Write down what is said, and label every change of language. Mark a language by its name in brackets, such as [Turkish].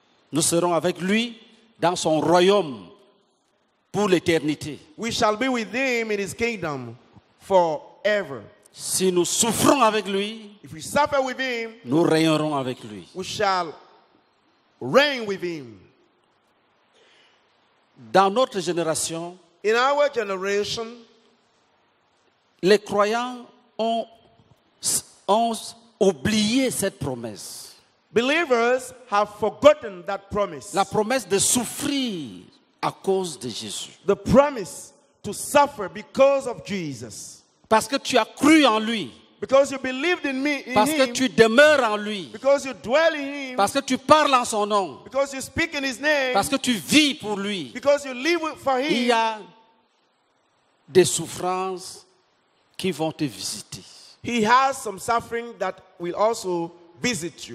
[French] Nous serons avec lui dans son royaume pour l'éternité. [English] We shall be with him in his kingdom forever. [French] Si nous souffrons avec lui, [English] if we suffer with him, [French] nous régnerons avec lui. [English] We shall reign with him. [French] Dans notre génération, [English] in our generation, [French] les croyants ont oublié cette promesse. [English] Believers have forgotten that promise. [French] La promesse de souffrir à cause de Jésus. [English] The promise to suffer because of Jesus. [French] Parce que tu as cru en lui. [English] Because you believed in me, in [French] parce [English] him, [French] que tu demeures en lui. [English] Because you dwell in him, [French] parce que tu parles en son nom. [English] Because you speak in his name, [French] parce que tu vis pour lui. [English] Because you live for him. [French] Il y a des souffrances qui vont te visiter. [English] He has some suffering that will also visit you.